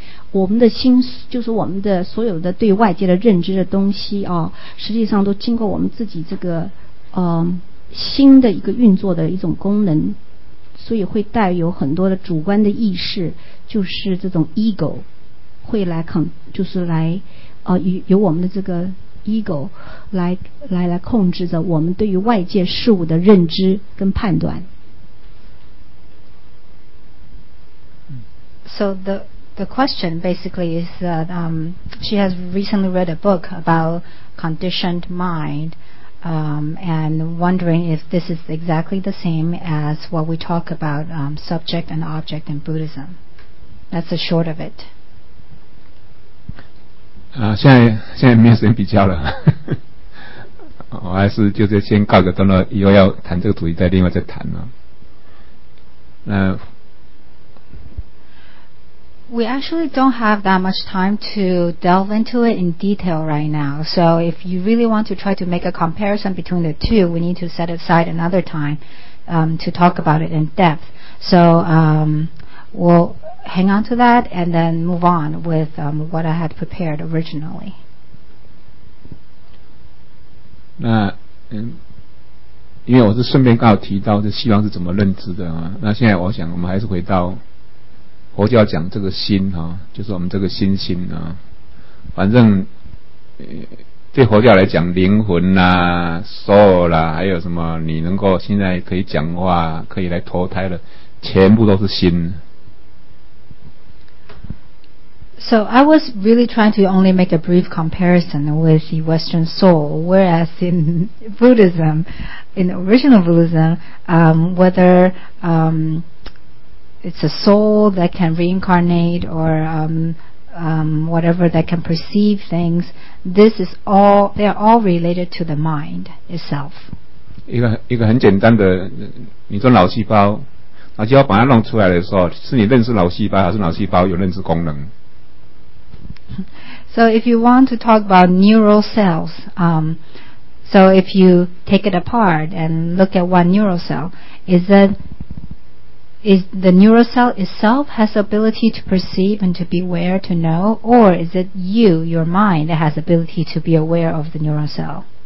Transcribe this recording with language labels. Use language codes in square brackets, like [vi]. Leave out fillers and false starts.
[zh] 我们的心就是我们的所有的对外界的认知的东西啊，实际上都经过我们自己这个心的一个运作的一种功能，所以会带有很多的主观的意识，就是这种 ego 会来就是来由我们的这个 ego 来控制着我们对于外界事物的认知跟判断。 [en] So the question basically is that she has recently read a book about conditioned mind and wondering if this is exactly the same as what we talk about subject and object in Buddhism. That's the short of it. [zh] 现在没有时间比较了。还是就是先告个段落，以后要谈这个主题再另外再谈呢？那 [en] we actually don't have that much time to delve into it in detail right now. So if you really want to try to make a comparison between the two, we need to set aside another time to talk about it in depth. So we'll hang on to that and then move on with what I had prepared originally. [zh] 那因为我是顺便刚好提到这西方是怎么认知的啊，那现在我想我们还是回到佛教讲这个心啊，就是我们这个心心啊，反正对佛教来讲灵魂啦、soul 啦，还有什么你能够现在可以讲话可以来投胎的，全部都是心。 [en] So I was really trying to only make a brief comparison with the Western soul, whereas in Buddhism, in original Buddhism, whether it's a soul that can reincarnate or whatever that can perceive things, this is all, they are all related to the mind itself. [zh] 一个很简单的，你说脑细胞，脑细胞把它弄出来的时候，是你认识脑细胞，还是脑细胞有认识功能？ [en] So if you want to talk about neural cells, so if you take it apart and look at one neural cell, is the neural cell itself has the ability to perceive and to be aware, to know, or is it you, your mind, that has the ability to be aware of the neural cell?